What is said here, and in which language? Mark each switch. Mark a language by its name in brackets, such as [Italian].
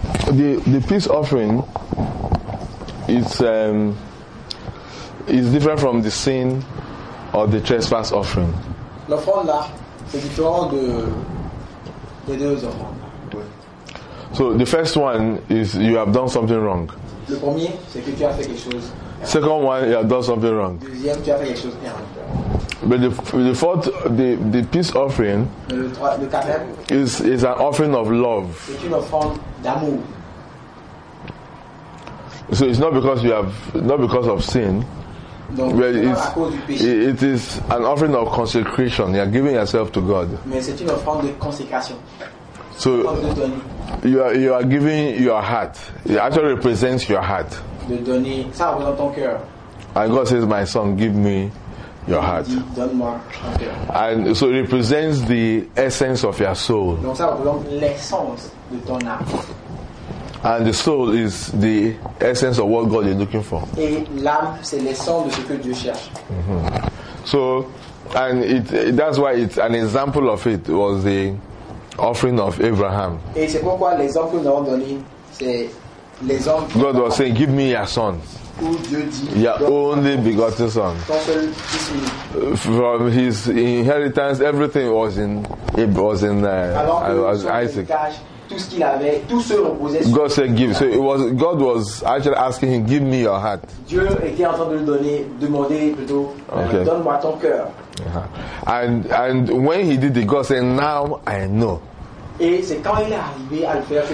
[English] The peace offering is different from the sin or the trespass offering. [French] L'offrande là, c'est différent de deux offrandes. [English] So the first one is you have done something wrong. [French] Le premier, c'est que tu as fait quelque chose. [English] Second one, you have done something wrong. [French] Deuxième, tu as fait quelque chose [English] wrong. But the fourth, the peace offering, [French] le quatrième, [English] is an offering of love. [French] C'est une offrande d'amour. [English] So it's not because you have not because of sin. [French] Donc, [English] but it is an offering of consecration. You are giving yourself to God. [French] Mais c'est une offrande de consécration. [English] So you are giving your heart. It actually represents your heart. [French] De donner, ça représente ton cœur. [English] And God says, "My son, give me your heart." And so it represents the essence of your soul. [French] Donc ça représente l'essence de ton âme. [English] And the soul is the essence of what God is looking for. [French] Et l'âme, c'est l'essence de ce que Dieu cherche. Mm-hmm. [English] So, and it that's why it's an example of it was the offering of Abraham. [French] Et c'est pourquoi l'exemple que nous avons donné, c'est l'exemple. [English] God was saying, "Give me your son." [French] Où Dieu dit, [English] your only begotten son. [French] Ton seul fils. [English] From his inheritance, everything was Isaac. [French] Tout ce qu'il avait, tout se reposait sur [English] God said give. So it was God was actually asking him, "Give me your heart." [French] Dieu était en train de lui demander plutôt, okay. Donne-moi ton cœur. Uh-huh. [English] And when he did it, God said, "Now I know." [French] Et c'est quand il est arrivé à le faire.